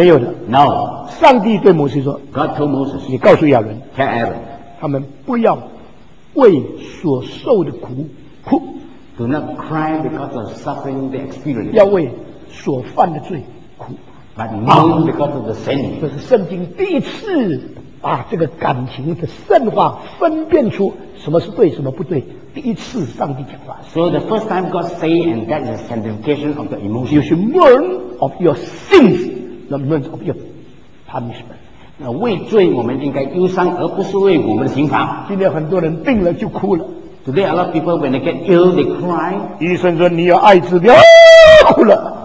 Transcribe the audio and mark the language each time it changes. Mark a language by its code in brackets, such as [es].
[zh] 没有的。 [en] No. [zh] 上帝对摩西说。 [en] God told Moses. [zh] 你告诉亚伦。 [en] Tell Aaron. [zh] 他们不要为所受的苦哭。 [en] Do not cry because of suffering they experience. [zh] 要为所犯的罪苦。 [en] But mourn because of the sin. [zh] 这是圣经第一次。把这个感情的圣化分辨出什么是对什么不对，第一次上帝讲话。 [en] So the first time God say and that is the sanctification of the emotion. You should mourn of your sins, not mourn of your punishment. [zh] 那为罪我们应该忧伤，而不是为我们的刑罚。今天很多人病了就哭了。 [en] Today a lot of people when they get ill they cry. [zh] 医生说你有艾滋病，哭了。